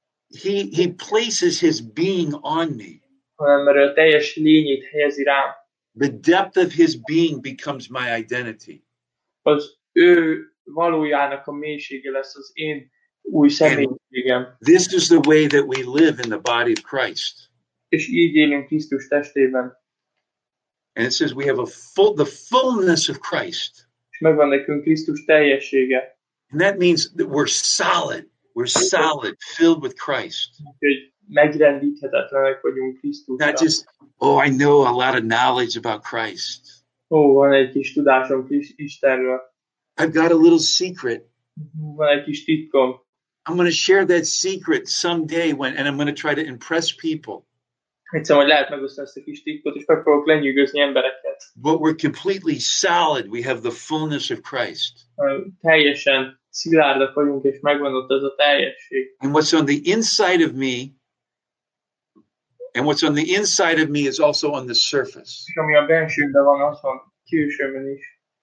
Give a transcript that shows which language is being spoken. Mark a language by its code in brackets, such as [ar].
[en] He places his being on me. The depth of his being becomes my identity. And this is the way that we live in the body of Christ. And it says we have the fullness of Christ. [hu] Megvan nekünk Krisztus teljessége. [en] And that means that we're solid. We're solid, filled with Christ. [hu] Megrendíthetetlenek vagyunk Krisztusra. [en] Not just, oh, I know a lot of knowledge about Christ. [hu] Ó, van egy kis tudásom Istenről. [en] I've got a little secret. [hu] Van egy kis titkom. [en] I'm going to share that secret someday and I'm going to try to impress people. [hu] Egyszerűen, hogy lehet megosztani ezt a kis titkot, és megpróbálok lenyűgözni embereket. [en] But we're completely solid. We have the fullness of Christ. [hu] Teljesen szilárdak vagyunk, és megvan ott ez a teljesség. [en] And what's on the inside of me, and what's on the inside of me is also on the surface. [hu] És ami a bensőben van, az van külsőben is.